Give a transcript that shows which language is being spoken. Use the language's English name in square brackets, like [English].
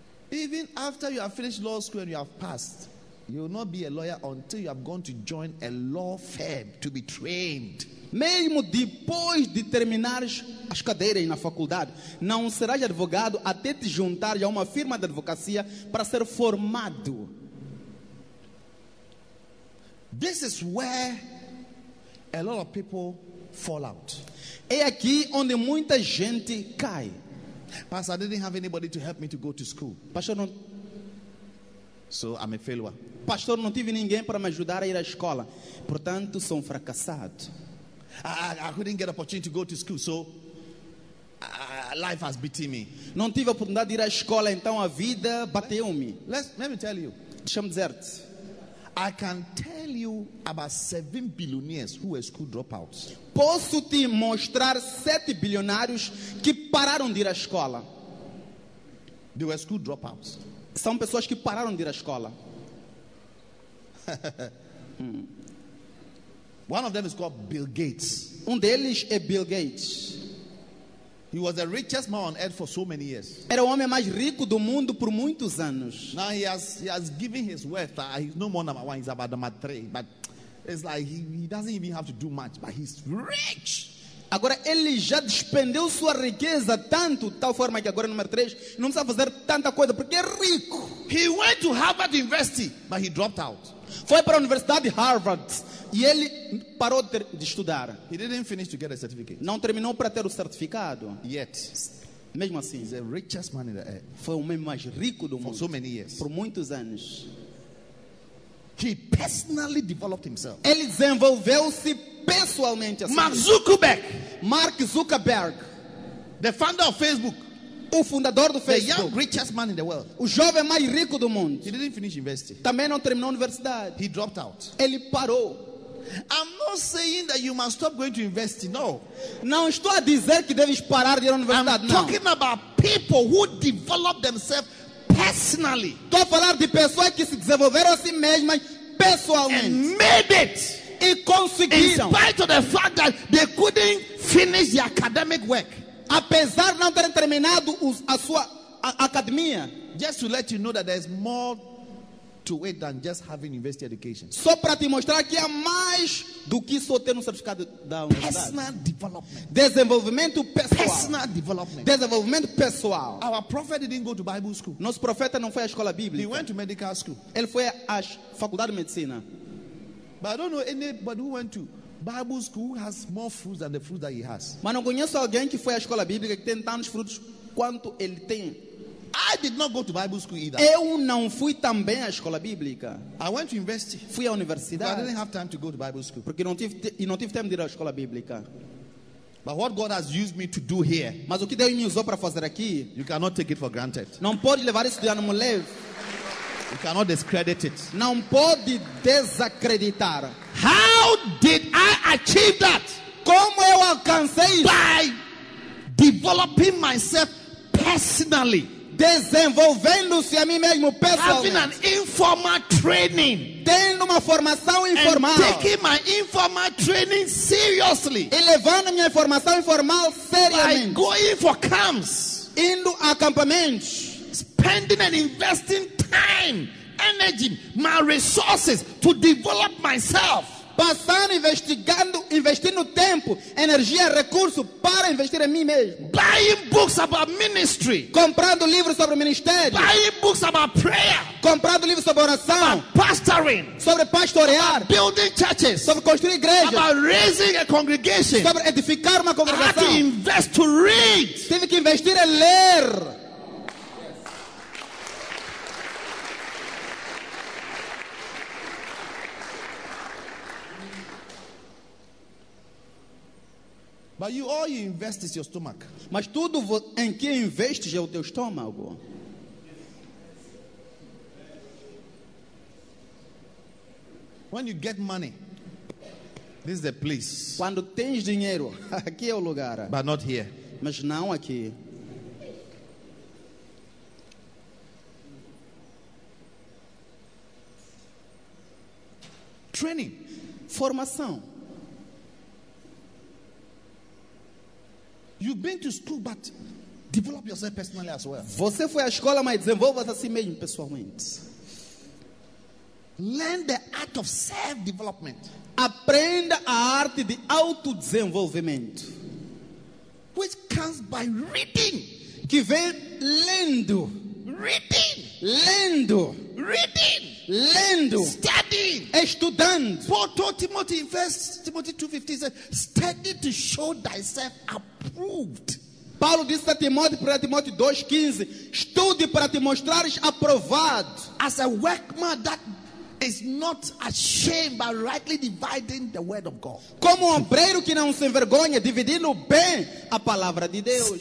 [English] even after you have finished law school and you have passed, you will not be a lawyer until you have gone to join a law firm to be trained. [Portuguese] Mesmo depois de terminares as cadeiras na faculdade, não serás advogado até te juntar a uma firma de advocacia para ser formado. [English] This is where a lot of people fall out. [Portuguese] É aqui onde muita gente cai. [English] Pastor, I didn't have anybody to help me to go to school. [Portuguese] Pastor, não. [English] So I'm a failure. [Portuguese] Pastor, não tive ninguém para me ajudar a ir à escola. Portanto, sou um fracassado. [English] I couldn't get opportunity to go to school, so life has beaten me. [Portuguese] Não tive a oportunidade de ir à escola, então a vida bateu-me. [English] Let me tell you. [Portuguese] Deixa-me dizer-te. [English] I can tell you about 7 billionaires who were school dropouts. [Portuguese] Posso te mostrar 7 bilionários que pararam de ir à escola. [English] They were school dropouts. [Portuguese] São pessoas que pararam de ir à escola. [English] One of them is called Bill Gates. [Portuguese] Um deles é Bill Gates. [English] He was the richest man on earth for so many years. [Portuguese] Era o homem mais rico do mundo por muitos anos. [English] Now he has given his wealth. He's no more number one. He's about number three. But it's like he doesn't even have to do much. But he's rich. [Portuguese] Agora ele já despendeu sua riqueza tanto, tal forma que agora é número 3, não precisa fazer tanta coisa porque é rico. [English] He went to Harvard University, but he dropped out. [Portuguese] Foi para a Universidade de Harvard e ele parou de estudar. [English] He didn't finish to get a certificate. [Portuguese] Não terminou para ter o certificado. [English] Yet. [Portuguese] Mesmo assim, [English] he's the richest man in the earth. [Portuguese] Foi o homem mais rico do [English] for [Portuguese] mundo [English] so many years. [Portuguese] Por muitos anos. [English] He personally developed himself. [Portuguese] Ele desenvolveu-se pessoalmente assim. [English] Mark Zuckerberg, the founder of Facebook, [Portuguese] o fundador do Facebook, [English] the young richest man in the world, [Portuguese] o jovem mais rico do mundo. [English] He didn't finish university. [Portuguese] Também não terminou a universidade. [English] He dropped out. [Portuguese] Ele parou. [English] I'm not saying that you must stop going to university. No. [Portuguese] Não estou a dizer que deves parar de ir à universidade. [English] I'm talking about people who develop themselves personally. [Portuguese] Estou a falar de pessoas que se desenvolveram a si mesmas pessoalmente. [English] And made it. [Portuguese] E conseguiram. [English] In spite of the fact that they couldn't finish the academic work. [Portuguese] Apesar de não terem terminado a sua academia. [English] Just to let you know that there's more to it than just having university education. [Portuguese] Só para te mostrar que há mais do que só ter um certificado da universidade. [English] Personal development. [Portuguese] Desenvolvimento pessoal. [English] Personal development. [Portuguese] Desenvolvimento pessoal. [English] Our prophet didn't go to Bible school. [Portuguese] Nosso profeta não foi à escola bíblica. [English] He went to medical school. [Portuguese] Ele foi à faculdade de medicina. [English] But I don't know anybody who went to Bible school who has more fruits than the fruits that he has. [Portuguese] Mas não conheço alguém que foi à escola bíblica que tem tantos frutos quanto ele tem. [English] I did not go to Bible school either. [Portuguese] Eu não fui também à escola bíblica. [English] I went to university. [Portuguese] Fui à universidade. [English] But I didn't have time to go to Bible school. [Portuguese] Porque não tive tempo de ir à escola bíblica. [English] But what God has used me to do here. [Portuguese] Mas o que Deus me usou para fazer aqui. [English] You cannot take it for granted. [Portuguese] Não pode levar isso de ânimo leve. [English] You cannot discredit it. [Portuguese] Não pode desacreditar. [English] How did I achieve that? [Portuguese] Como eu alcancei isso? [English] By developing myself personally. [Portuguese] Desenvolvendo-se a mim mesmo pessoalmente. [English] Having an informal training. [Portuguese] Tendo uma formação informal. [English] And taking my informal training seriously. [Portuguese] E levando a minha formação informal seriamente. [English] By going for camps. [Portuguese] Indo a acampamentos. [English] Spending and investing time, energy, my resources to develop myself. [Portuguese] Passando, investindo tempo, energia, recurso para investir em mim mesmo. [English] Buying books about ministry. [Portuguese] Comprando livros sobre ministério. [English] Buying books about prayer. [Portuguese] Comprando livros sobre oração. [English] About pastoring. [Portuguese] Sobre pastorear. [English] About building churches. [Portuguese] Sobre construir igrejas. [English] About raising a congregation. [Portuguese] Sobre edificar uma congregação. [English] I had to invest to read. [Portuguese] Tive que investir em ler. [English] But you all you invest is your stomach. [Portuguese] Mas tudo em que investes é o teu estômago. [English] When you get money, this is the place. [Portuguese] Quando tens dinheiro, aqui é o lugar. [English] But not here. [Portuguese] Mas não aqui. [English] Training, [Portuguese] formação. [English] You've been to school, but develop yourself personally as well. [Portuguese] Você foi à escola, mas desenvolva-se a si mesmo pessoalmente. [English] Learn the art of self-development. [Portuguese] Aprenda a arte de autodesenvolvimento. [English] Which comes by reading. [Portuguese] Que vem lendo. [English] Reading. [Portuguese] Lendo. [English] Reading. [Portuguese] Lendo. [English] Studying. [Portuguese] Estudando. [English] Paul told Timothy in 1 Timothy 2:15 said, study to show thyself approved. [Portuguese] Paulo disse a Timóteo, 1 Timóteo 2:15, estude para te mostrares aprovado. [English] As a workman that is not ashamed but rightly dividing the word of God. [Portuguese] Como obreiro que não se envergonha dividindo bem a palavra de Deus.